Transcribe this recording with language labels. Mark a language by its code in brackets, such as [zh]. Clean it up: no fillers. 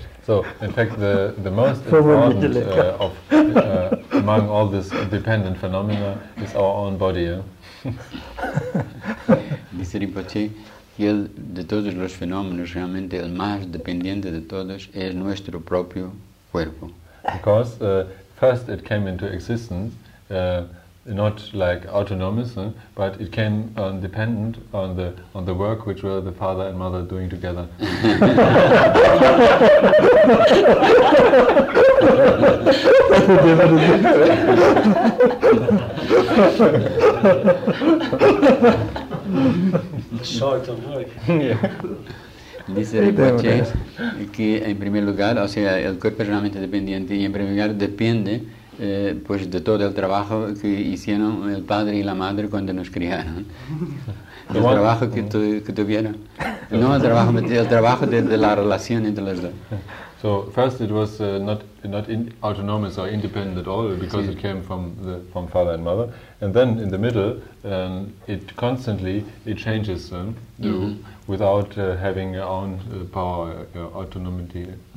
[en] So, in fact, the most important of among all this dependent phenomena is our own body. [es] Dice Rinpoche que de todos los fenómenos realmente el más dependiente de todos es nuestro propio cuerpo. [en] Because first it came into existence, not like autonomous, but it came dependent on the work which were the father and mother doing together. Short of work. [es] Dice Rinpoche que en primer lugar, o sea, el cuerpo es realmente dependiente y en primer lugar depende pues de todo el trabajo que hicieron el padre y la madre cuando nos criaron. El trabajo que tuvieron. No el trabajo, el trabajo de la relación entre los dos. [en] So first it was not autonomous or independent at all because it came from father and mother, and then in the middle it constantly changes them without having your own power, autonomy.